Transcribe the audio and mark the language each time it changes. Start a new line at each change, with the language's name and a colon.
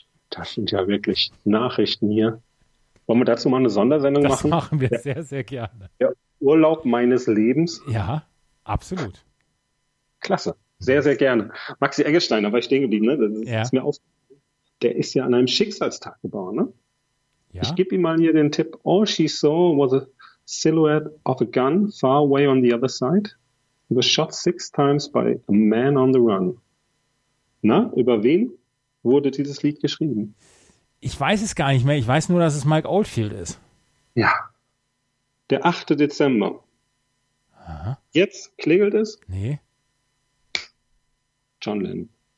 German: Das sind ja wirklich Nachrichten hier. Wollen wir dazu mal eine Sondersendung das machen? Das machen wir sehr, sehr gerne. Der Urlaub meines Lebens? Ja, absolut. Klasse. Sehr, sehr gerne. Maxi Eggestein, da war ich stehen geblieben, ne? Das ist mir aufgefallen. Der ist ja an einem Schicksalstag geboren, ne? Ja. Ich gebe ihm mal hier den Tipp.
English: All she saw was a silhouette of a gun far away on the other side. He was shot 6 times by a man on the run.
German: Na, über wen wurde dieses Lied geschrieben? Ich weiß es gar nicht mehr. Ich weiß nur, dass es Mike Oldfield ist. Ja. Der 8. Dezember. Aha. Jetzt klingelt es? Nee. John Lennon.